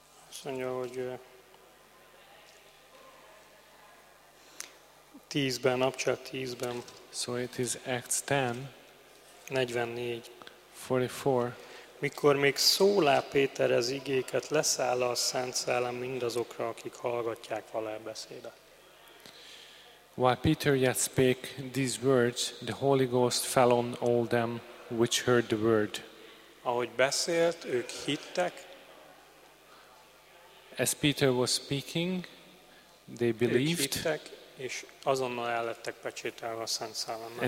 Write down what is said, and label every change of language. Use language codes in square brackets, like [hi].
[hu] Azt mondja, hogy 10-ben, abcsel 10-ben. [en] So it is Acts 10. 44. 44. [hu] Mikor még szólá Péter ez igéket, leszáll a Szent Szellem mindazokra, akik hallgatják vala beszédet. [en] While Peter yet spake these words, the Holy Ghost fell on all them which heard the word. [hu] Ahogy beszélt, ők hittek. [en] As Peter was speaking, they believed. [hu] És azonnal el lettek pecsételve a Szent Szellemmel.